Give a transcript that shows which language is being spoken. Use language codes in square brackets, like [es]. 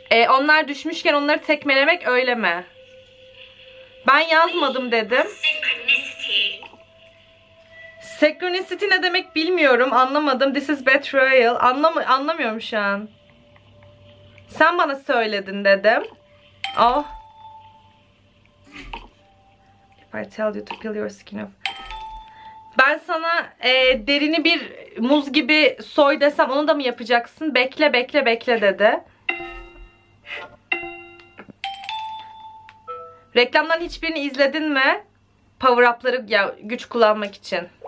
[tr] Onlar düşmüşken onları tekmelemek öyle mi? Ben yazmadım dedim. Synchronicity ne demek bilmiyorum. Anlamadım. [en] This is betrayal. [tr] Anlamıyorum şu an. Sen bana söyledin dedim. Oh. [en] If I tell you to peel your skin off. [tr] Ben sana derini bir muz gibi soy desem onu da mı yapacaksın? Bekle bekle bekle dedi. Reklamların hiçbirini izledin mi? Power up'ları ya, güç kullanmak için.